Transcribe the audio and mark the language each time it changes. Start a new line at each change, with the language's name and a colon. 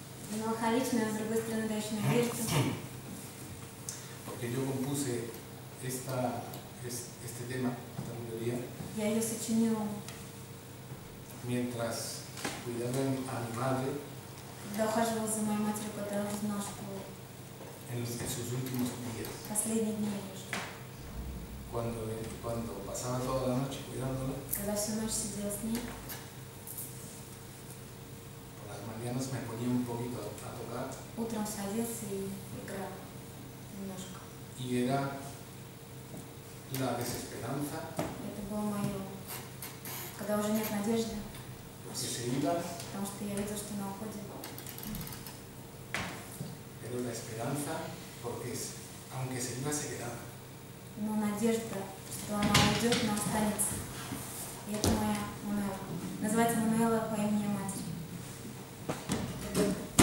Russian: Меланхоличная, с другой стороны, дальше не верится.
Spanish: Porque yo compuse esta, este tema, esta melodía.
Russian: Я ее сочинил.
Spanish: Mientras cuidaba a mi madre.
Russian: Когда ухаживал за моей матерью, когда я узнал, что...
Spanish: En sus últimos días.
Russian: Последние дни ее жизни.
Spanish: Cuando pasaba toda la noche cuidándola.
Russian: Когда всю ночь сидел с ней.
Spanish: Mañanas me ponía un poquito a tocar.
Russian: Утром садился и играл немножко.
Spanish: Y era la desesperanza.
Russian: Это было мое, когда уже нет надежды.
Spanish: Porque se iba.
Russian: Потому что я видел, что она уходит.
Spanish: Pero la esperanza, porque es, aunque se iba, se quedaba.
Russian: Но надежда, что она уйдет, она останется. И это моя Мануэла. Называется Мануэла по имени матери. Thank you.